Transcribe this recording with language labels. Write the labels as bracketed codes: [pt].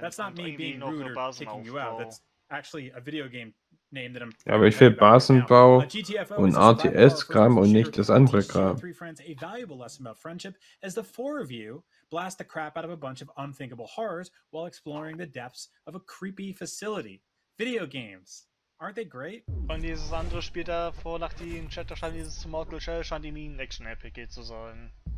[en] That's not me being rude or kicking you out. That's actually a video game name that I'm. [de] Ja, aber ich will Basenbau und ATS-Kram und nicht das andere Kram. [en] Three friends, a valuable lesson about friendship, as the four of you blast the crap out of a bunch of unthinkable horrors while exploring the depths of a creepy facility. Video games. Aren't they great? [de] Und dieses andere Spiel davor, nach dem Chat, da scheint dieses Mortal Shell, scheint irgendwie ein Action-RPG zu sein.